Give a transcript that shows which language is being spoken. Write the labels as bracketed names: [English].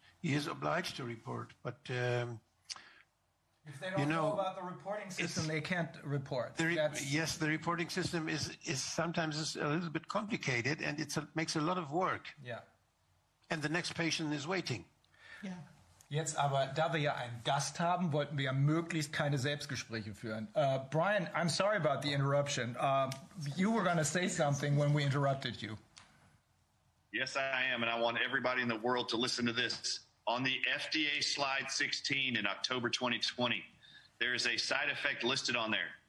[English] He is obliged to report, but... if they don't know about the reporting system, they can't report. The reporting system is sometimes a little bit complicated, and makes a lot of work. Yeah. And the next patient is waiting. Yeah. [German] Jetzt aber, da wir ja einen Gast haben, wollten wir möglichst keine Selbstgespräche führen. [English] Brian, I'm sorry about the interruption. You were going to say something when we interrupted you. Yes, I am, and I want everybody in the world to listen to this. On the FDA slide 16 in October 2020, there is a side effect listed on there.